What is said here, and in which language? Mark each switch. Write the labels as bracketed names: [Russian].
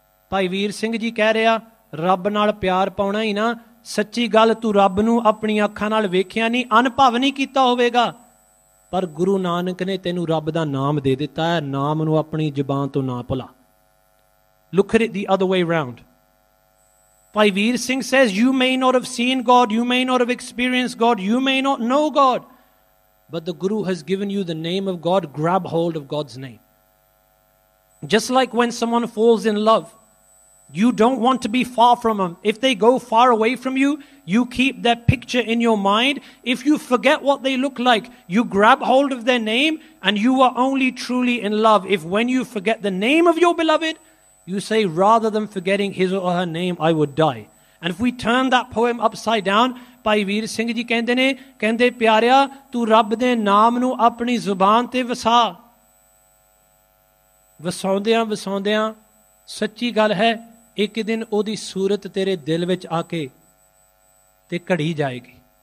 [Punjabi] ਭਾਈ ਵੀਰ ਸਿੰਘ ਜੀ ਕਹਿ ਰਿਹਾ ਰੱਬ ਨਾਲ ਪਿਆਰ ਪਾਉਣਾ ਹੀ ਨਾ, ਸੱਚੀ ਗੱਲ ਤੂੰ ਰੱਬ ਨੂੰ ਆਪਣੀਆਂ ਅੱਖਾਂ ਨਾਲ ਵੇਖਿਆ ਨਹੀਂ, ਅਨੁਭਵ ਨਹੀਂ ਕੀਤਾ ਹੋਵੇਗਾ, ਪਰ ਗੁਰੂ ਨਾਨਕ ਨੇ ਤੈਨੂੰ ਰੱਬ ਦਾ ਨਾਮ ਦੇ ਦਿੱਤਾ ਹੈ, ਨਾਮ ਨੂੰ ਆਪਣੀ ਜ਼ਬਾਨ ਤੋਂ ਨਾ ਭੁਲਾ। [English] Look it the other way round. Bhai Vir Singh says you may not have seen God, you may not have experience God, you may not know God, but the guru has given you the name of God, grab hold of God's name. Just like when someone falls in love, you don't want to be far from them. If they go far away from you, you keep that picture in your mind. If you forget what they look like, you grab hold of their name and you are only truly in love. If when you forget the name of your beloved, you say, rather than forgetting his or her name, I would die. And if we turn that poem upside down, [Punjabi] Bhai Vir Singh ji ਕਹਿੰਦੇ ਨੇ ਕਹਿੰਦੇ ਪਿਆਰਿਆ ਤੂੰ ਰੱਬ ਦੇ ਨਾਮ ਨੂੰ ਆਪਣੀ ਜ਼ੁਬਾਨ ਤੇ ਵਸਾ। ਵਸਾਉਂਦਿਆਂ ਵਸਾਉਂਦਿਆਂ ਸੱਚੀ ਗੱਲ ਹੈ ਇੱਕ ਦਿਨ ਉਹਦੀ ਸੂਰਤ ਤੇਰੇ ਦਿਲ ਵਿੱਚ ਆ ਕੇ ਤੇ ਘੜੀ ਜਾਏਗੀ।